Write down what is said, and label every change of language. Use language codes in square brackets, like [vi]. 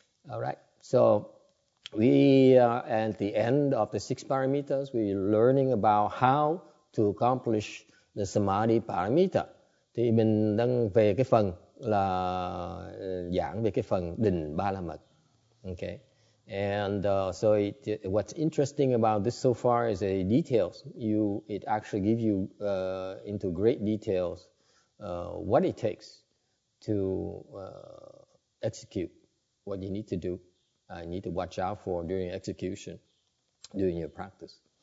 [en] All right, so we are at the end of the six parameters. We're learning about how to accomplish the samadhi parameter. [vi] Thì mình đang về cái phần là giảng về cái phần định ba la mật. [en] Okay. And so what's interesting about this so far is the details. It actually gives you into great details what it takes to execute what you need to do. You need to watch out for during execution, during your practice.